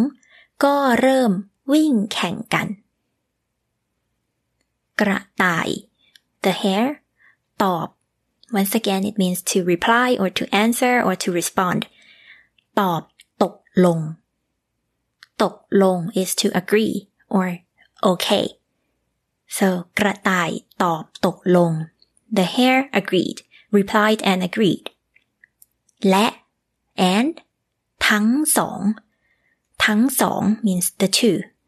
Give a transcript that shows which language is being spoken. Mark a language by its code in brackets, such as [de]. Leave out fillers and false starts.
[th] กระต่ายตอบตกลงและทั้งสองก็เริ่มวิ่งแข่งกัน กระต่าย, [en] the hare, [th] ตอบ. [en] Once again, it means to reply or to answer or to respond. ตอบตกลง. ตกลง is to agree or okay. [th] So, กระต่ายตอบตกลง. [en] The hare agreed, replied and agreed. และ, and, ทั้งสอง.ทั้งสอง means the two.